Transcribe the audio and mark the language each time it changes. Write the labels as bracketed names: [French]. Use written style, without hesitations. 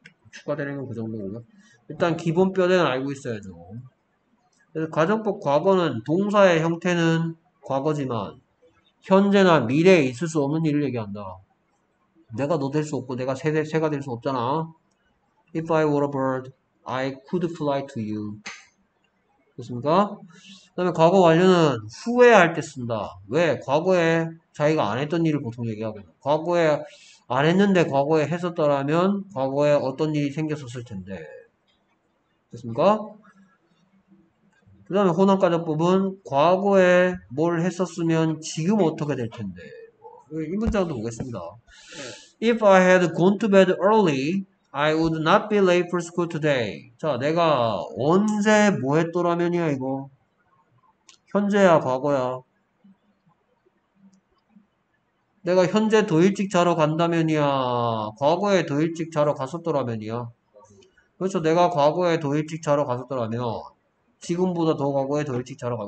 [Korean] 추가되는 건그 정도고요. 일단 기본 뼈대는 알고 있어야죠. 그래서 가정법 과거는 동사의 형태는 과거지만 현재나 미래에 있을 수 없는 일을 얘기한다. 내가 너될수 없고 내가 새가 될수 없잖아. [English] If I were a bird, I could fly to you. [Korean] 그렇습니까? 그다음에 과거 완료는 후회할 때 쓴다. 왜? 과거에 자기가 안 했던 일을 보통 얘기하거든. 과거에 안 했는데 과거에 했었더라면 과거에 어떤 일이 생겼었을 텐데. 됐습니까? 그 다음에 혼합가정법은 과거에 뭘 했었으면 지금 어떻게 될 텐데. 이 문장도 보겠습니다. [English] If I had gone to bed early, I would not be late for school today. [Korean] 자, 내가 언제 뭐 했더라면이야, 이거? 현재야, 과거야? 내가 현재 더 일찍 자러 간다면이야. 과거에 더 일찍 자러 갔었더라면이야. 그렇죠. 내가 과거에 더 일찍 자러 갔었더라면, 지금보다 더 과거에 더 일찍 자러 가.